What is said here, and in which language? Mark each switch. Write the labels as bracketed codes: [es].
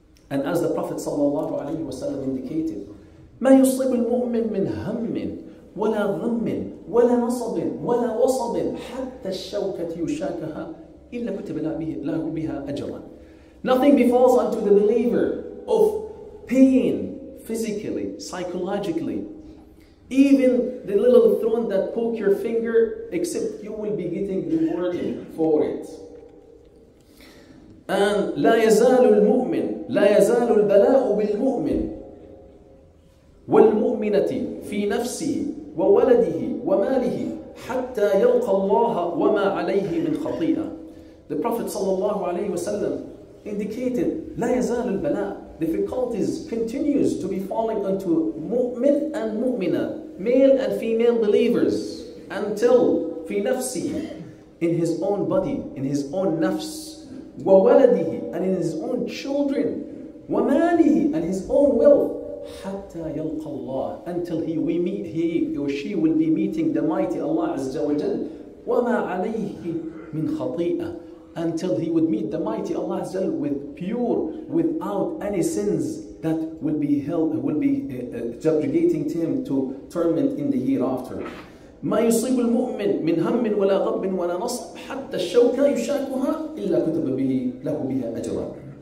[en] And as the Prophet sallallahu alayhi wa sallam indicated, [ar] مَا يُصِيبُ الْمُؤْمِنُ مِنْ هَمٍّ وَلَا غَمٍّ وَلَا نَصَبٍ وَلَا وَصَبٍ حَتَّى الشَّوْكَةِ يُشَاكَهَا إِلَّا كُتِبَ لَهُ بِهَا أَجْرًا. [en] Nothing befalls unto the believer of pain, physically, psychologically, even the little thorn that poke your finger, except you will be getting rewarded for it. [ar] And لا يزال البلاء بالمؤمن والمؤمنة في نفسه وولده وماله حتى يلقى الله وما عليه من خطيئة. [en] The Prophet sallallahu alayhi wa sallam indicated, [ar] لا يزال البلاء, [en] difficulties continues to be falling onto mu'min and mu'mina, male and female believers, until [ar] في نفسه, [en] in his own body, in his own nafs, [ar] وولده, [en] and in his own children, [ar] وماله, [en] and his own wealth, [ar] حتى يلقى الله, [en] until he or she will be meeting the mighty Allah Azza wa Jal, [ar] وما عليه من خطيئة, [en] until he would meet the mighty Allah Azza wa Jal with pure, without any sins that will be held, will be subjugating him to torment in the hereafter. [ar] ما يصيب المؤمن من هم ولا غب ولا نصب حتى الشوكة يشاكها إلا كتب به له بها أجرا.